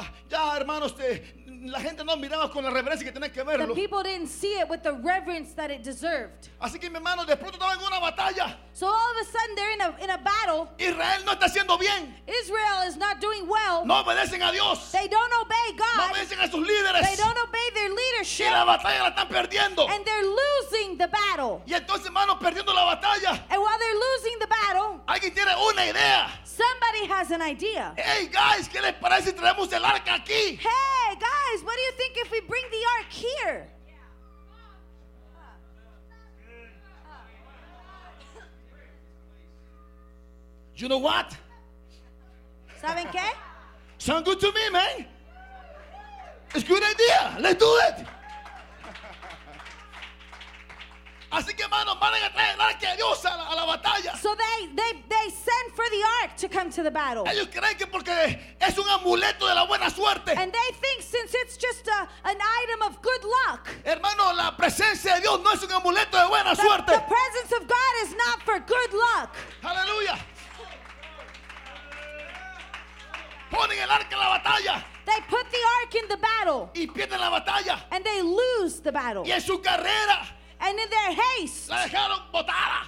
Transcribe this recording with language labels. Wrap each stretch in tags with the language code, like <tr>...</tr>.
<es>Ya, hermanos, la gente no miraba con la reverencia que tenía que verlo.</es> <en>The people didn't see it with the reverence that it deserved.</en> <es>Así que, mi hermano, de pronto estaban en una batalla.</es> <en>So all of a sudden they're in a battle.</en> <es>Israel no está haciendo bien.</es> <en>Israel is not doing well.</en> <es>No obedecen a Dios.</es> <en>They don't obey God.</en> <es>No obedecen a sus líderes.</es> <en>They don't obey their leadership.</en> <es>Y la batalla la están perdiendo.</es> <en>And they're losing the battle.</en> <es>Y entonces, hermano, perdiendo la batalla.</es> <en>And while they're losing the battle.</en> <es>Alguien tiene una idea.</es> <en>Somebody has an idea. Hey guys,</en> <es>¿qué les parece si traemos el arca aquí?</es> <en>Hey guys, what do you think if we bring the ark here? You know what?</en> <es>¿Saben qué?</es> <en>Sound good to me, man. It's a good idea. Let's do it.</en> <es>Así que, hermanos, van a traer el arca de Dios a la batalla.</es> <en>So they send for the ark to come to the battle.</en> <es>Ellos creen que porque es un amuleto de la buena suerte.</es> <en>And they think since it's just an item of good luck.</en> <es>Hermano, la presencia de Dios no es un amuleto de buena suerte.</es> <en>The presence of God is not for good luck.</en> <es>Aleluya. Ponen el arca en la batalla.</es> <en>They put the ark in the battle.</en> <es>Y pierden la batalla.</es> <en>And they lose the battle.</en> <es>Y en su carrera.</es> <en>And in their haste.</en> <es>La dejaron botada.</es>